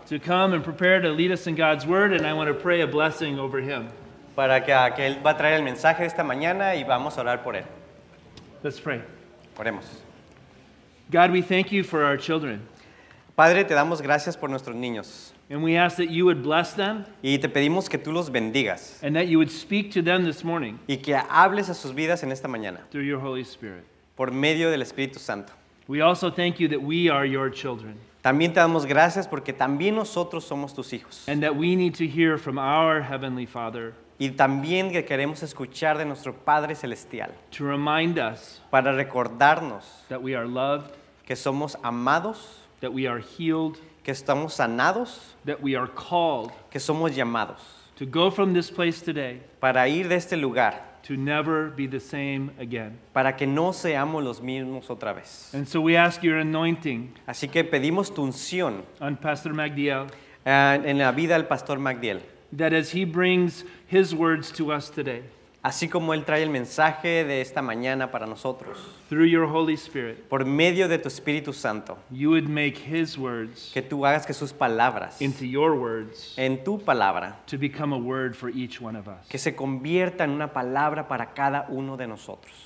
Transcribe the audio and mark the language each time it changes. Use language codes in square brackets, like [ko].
[en] To come and prepare to lead us in God's word, and I want to pray a blessing over him. [es] Para que él va a traer el mensaje esta mañana y vamos a orar por él. [en] Let's pray. [es] Oremos. [en] God, we thank you for our children. [es] Padre, te damos gracias por nuestros niños. [en] And we ask that you would bless them. [es] Y te pedimos que tú los bendigas. [en] And that you would speak to them this morning. [es] Y que hables a sus vidas en esta mañana. [en] Through your Holy Spirit. [es] Por medio del Espíritu Santo. [en] We also thank you that we are your children. [es] También te damos gracias porque también nosotros somos tus hijos. [en] And that we need to hear from our Heavenly Father. [es] Y también que queremos escuchar de nuestro Padre Celestial. [en] To remind us. [es] Para recordarnos. [en] That we are loved. [es] Que somos amados. [en] That we are healed. [es] Que estamos sanados. [en] That we are called. [es] Que somos llamados. [en] To go from this place today. [es] Para ir de este lugar. [en] To never be the same again. [es] Para que no seamos los mismos otra vez. [en] And so we ask your anointing. [es] Así que pedimos tu unción. [en] On Pastor Magdiel. [es] En la vida del Pastor Magdiel. [en] That as he brings his words to us today. [es] Así como él trae el mensaje de esta mañana para nosotros. [en] Through your Holy Spirit. [es] Por medio de tu Espíritu Santo. [en] You would make his words. [es] Que tú hagas que sus palabras. [en] Into your words. [es] En tu palabra. [en] To become a word for each one of us. [es] Que se convierta en una palabra para cada uno de nosotros.